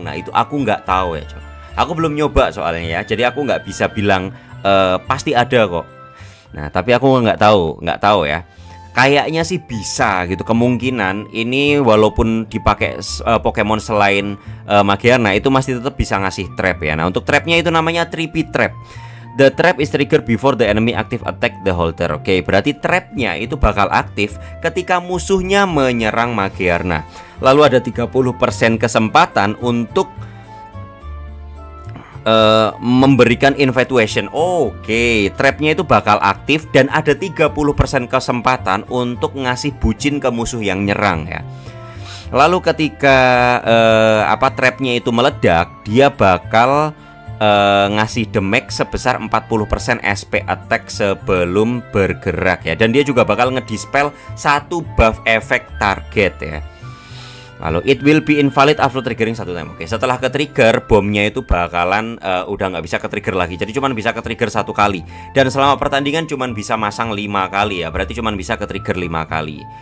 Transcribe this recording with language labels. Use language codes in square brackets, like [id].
[id] Nah itu aku nggak tahu ya, cok. Aku belum nyoba soalnya ya. Jadi aku nggak bisa bilang pasti ada kok. Nah tapi aku nggak tahu ya. Kayaknya sih bisa gitu. Kemungkinan ini walaupun dipakai Pokemon selain Magiarna itu masih tetap bisa ngasih trap ya. Nah untuk trapnya itu namanya Trippy Trap. [en] The trap is triggered before the enemy active attack the holder. [id] Oke, berarti trapnya itu bakal aktif ketika musuhnya menyerang Magiarna. Lalu ada 30% kesempatan untuk memberikan infatuation. Oke, trapnya itu bakal aktif dan ada 30% kesempatan untuk ngasih bucin ke musuh yang nyerang ya. Lalu ketika trapnya itu meledak, dia bakal ngasih damage sebesar 40% SP attack sebelum bergerak ya, dan dia juga bakal ngedispel satu buff efek target ya. [en] Lalu it will be invalid after triggering satu time. [id] Oke, setelah ke trigger bomnya itu bakalan udah nggak bisa ke trigger lagi, jadi cuman bisa ke trigger satu kali, dan selama pertandingan cuman bisa masang 5 kali ya, berarti cuman bisa ke trigger 5 kali.